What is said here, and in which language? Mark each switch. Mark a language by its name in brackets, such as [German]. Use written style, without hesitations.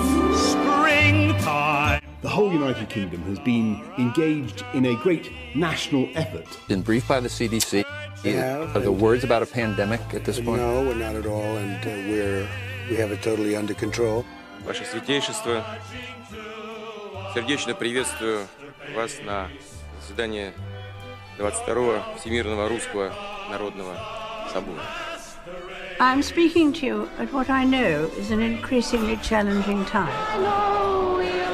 [English] United Kingdom has been engaged in a great national effort. Been briefed by the CDC. Are the words about a pandemic at this point? No, we're not at all, and we have it totally under control. [Russian] Ваше святейшество, сердечно приветствую вас на заседании 22-го Всемирного Русского Народного Собора. [English] I'm speaking to you at what I know is an increasingly challenging time.